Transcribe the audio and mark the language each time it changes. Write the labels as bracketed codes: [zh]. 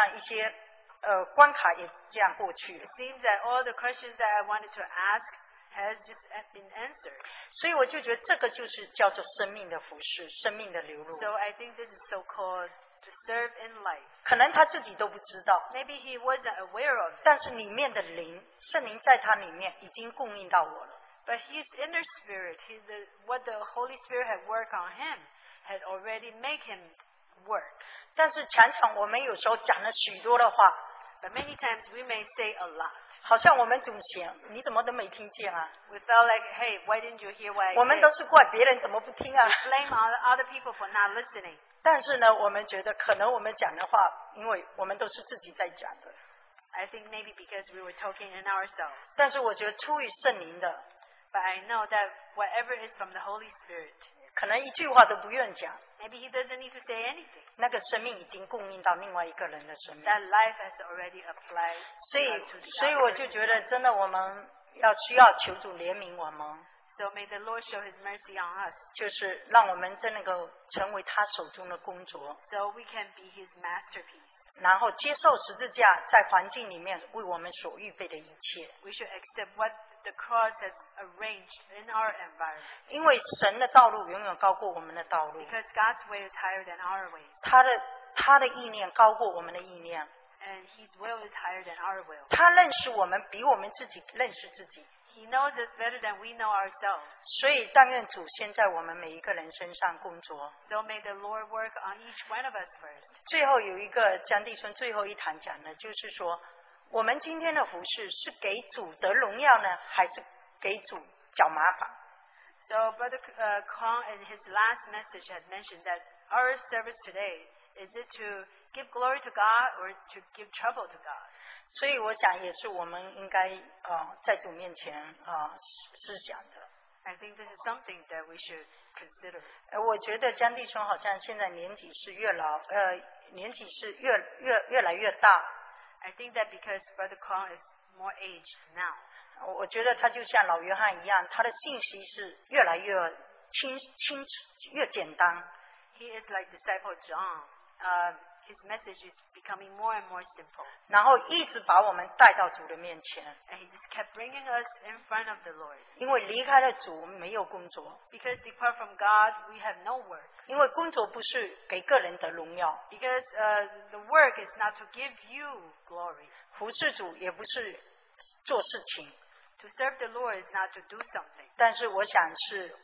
[zh] 然后呢，我里面的事情好像一些关卡也这样过去了。 [en] It seems that all the questions that I wanted to ask has just been answered. [zh] 所以我就觉得这个就是叫做生命的服事，生命的流露。 [en] So I think this is so called. To serve in life. [zh] 可能他自己都不知道, [en] Maybe he wasn't aware of it. [zh] 但是里面的灵, 圣灵在他里面已经供应到我了。 [en] But his inner spirit, what the Holy Spirit had worked on him, had already made him work. [zh] 但是常常我们有时候讲了许多的话, [en] But many times we may say a lot. [zh] 好像我们总想, 你怎么都没听见啊? [en] We felt like, hey, why didn't you hear what I said? [zh] 我们都是怪别人怎么不听啊? [en] We blame other people for not listening. [zh] 但是呢，我们觉得可能我们讲的话， 因为我们都是自己在讲的。 [en] I think maybe because we were talking in ourselves. [zh] 但是我觉得出于圣灵的， [en] But I know that whatever is from the Holy Spirit, [zh] 可能一句话都不愿讲。 [en] Maybe he doesn't need to say anything. [zh] 那个生命已经供应到另外一个人的生命。 [en] That life has already applied. [zh] 所以我就觉得真的我们要需要求主怜悯我们。 [en] So may the Lord show his mercy on us. [zh] 就是让我们真能够成为他手中的工作。 [en] So we can be his masterpiece. [zh] 然后接受十字架, 在环境里面为我们所预备的一切。 [en] We should accept what the cross has arranged in our environment. [zh] 因为神的道路永远高过我们的道路。 [en] Because God's way is higher than our ways. [zh] 他的意念高过我们的意念。 [en] And his will is higher than our will. [zh] 他认识我们比我们自己认识自己。 [en] He knows us better than we know ourselves. [zh] 所以但愿主先在我们每一个人身上工作。 [en] So may the Lord work on each one of us first. [zh] 最后有一个江弟兄最后一堂讲的，就是说，我们今天的服事是给主得荣耀呢，还是给主找麻烦？ [en] So Brother Kong in his last message had mentioned that our service today is it to give glory to God or to give trouble to God? [zh] 所以我想也是我们应该在主面前思想的。 [en] I think this is something that we should consider. [zh] 我觉得张弟兄好像现在年纪是越来越大。 [en] I think that because Brother Kong is more aged now. [zh] 我觉得他就像老约翰一样，他的信息是越来越清清越简单。 [en] He is like disciple John. His message is becoming more and more simple. [zh] 然后一直把我们带到主的面前。 [en] And he just kept bringing us in front of the Lord. [zh] 因为离开了主，没有工作。 [en] Because depart from God, we have no work. [zh] 因为工作不是给个人的荣耀。 [en] Because the work is not to give you glory. [zh] 服侍主也不是做事情。 [en] To serve the Lord is not to do something.